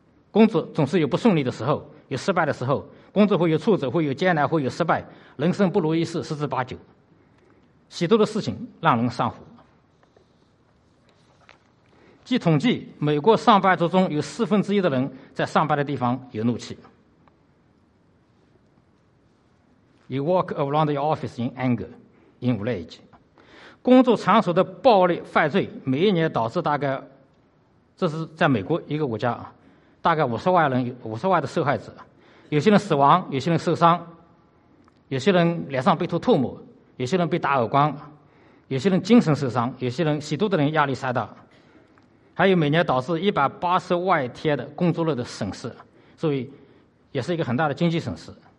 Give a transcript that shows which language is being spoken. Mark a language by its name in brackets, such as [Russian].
[Chinese] 工作总是有不顺利的时候，有失败的时候。工作会有挫折，会有艰难，会有失败，人生不如意事十之八九，许多的事情让人上火。据统计，美国上班族中有1/4的人在上班的地方有怒气。 [English] You walk around your office in anger, in rage. [Chinese] 工作场所的暴力犯罪每一年导致大概，这是在美国一个国家，大概50万的受害者。有些人死亡，有些人受伤，有些人脸上被吐唾沫，有些人被打耳光，有些人精神受伤，有些人许多的人压力山大，还有每年导致180万天的工作日的损失，所以也是一个很大的经济损失。